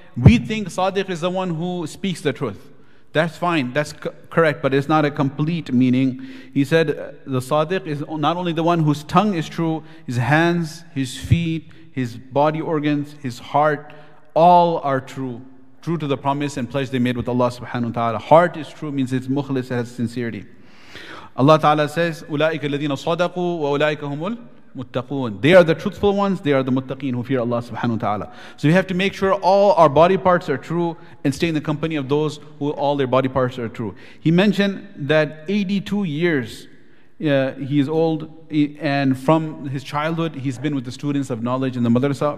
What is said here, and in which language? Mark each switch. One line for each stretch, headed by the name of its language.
English: We think Sadiq is the one who speaks the truth. That's fine, that's correct, but it's not a complete meaning. He said, the Sadiq is not only the one whose tongue is true, his hands, his feet, his body organs, his heart, all are true. True to the promise and pledge they made with Allah subhanahu wa ta'ala. Heart is true, means it's mukhlis, it has sincerity.
Arabic: Allah Ta'ala says, أُولَٰئِكَ الَّذِينَ صَدَقُوا وَأُولَٰئِكَ هُمُ الْمُتَّقُونَ.
English: They are the truthful ones, they are the muttaqeen who fear Allah subhanahu wa ta'ala. So we have to make sure all our body parts are true and stay in the company of those who all their body parts are true. He mentioned that 82 years he is old, and from his childhood he's been with the students of knowledge in the madrasa.